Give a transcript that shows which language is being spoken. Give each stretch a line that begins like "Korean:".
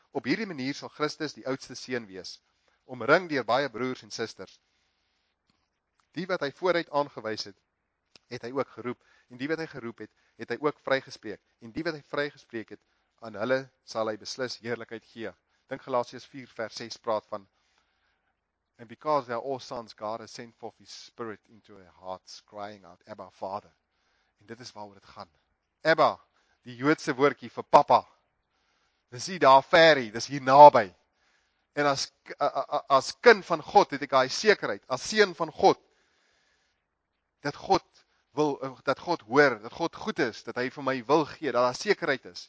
Afrikaans: Op hierdie manier sal Christus die oudste seun wees, omring deur baie broers en susters. Die wat hy vooruit aangewys het, het hy ook geroep, en die wat hy geroep het, het hy ook vrygespreek, en die wat hy vrygespreek het, aan hulle sal hy beslis heerlikheid gee. Dink Galasiërs 4:6 praat van
English: and because they are all sons, God has sent forth his spirit into their hearts, crying out, Abba, Father.
Afrikaans: En dit is waaroor dit gaan. Abba, die Joodse woordjie vir papa. Dis nie daar ver nie, dis hier naby. En as kind van God het ek daai sekerheid, as seun van God, dat God wil, dat God hoor, dat God goed is, dat hy vir my wil gee, dat daar sekerheid is.